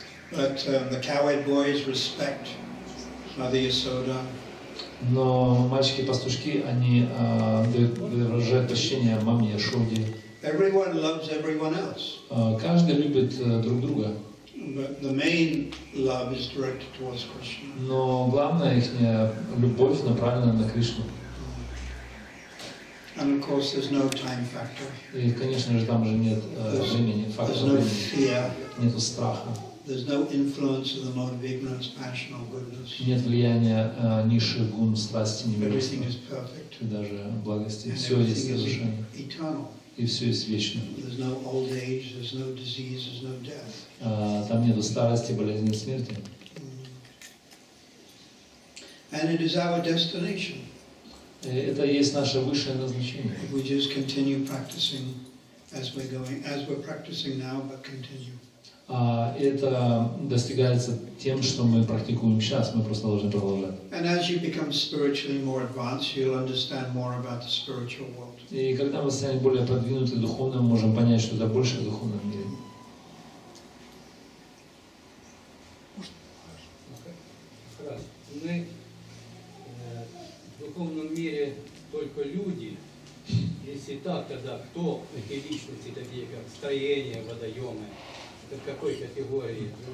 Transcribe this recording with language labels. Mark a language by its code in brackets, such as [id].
[en] But the cowherd boys respect Mother Yasoda. [ru] Но мальчики-пастушки, они выражают почтение маме Яшоде. [en] Everyone loves everyone else. [ru] Каждый любит друг друга. [en] But the main love is directed towards Krishna. [ru] Но главная их любовь направлена на Кришну. [en] And of course, there's no time factor. [ru] И, конечно же, там же нет времени, фактора [en] no [ru] времени. [en] Fear. [ru] Нету страха. [en] There's no influence of the mode of ignorance, passion, or goodness. [ru] Нет влияния низшей гун, страсти, немилости. [en] Everything is perfect. [ru] И даже благости. Все есть совершенно. [en] Eternal. [ru] И все есть вечно. [en] There's no old age, there's no disease, there's no death. [ru] Там нету старости, болезни, смерти. Mm. [en] And it is our destination. [ru] Это есть наше высшее назначение. [en] If we just continue practicing as we're going, as we're practicing now, but continue. [ru] Это достигается тем, что мы практикуем сейчас, мы просто должны продолжать. [en] And as you become spiritually more advanced, you'll understand more about the spiritual world. [ru] И когда мы станем более продвинуты духовно, мы можем понять, что это больше в духовном мире. Мы в духовном мире только люди. Если так, тогда кто эти личности, такие как строения, водоемы? Это в какой категории?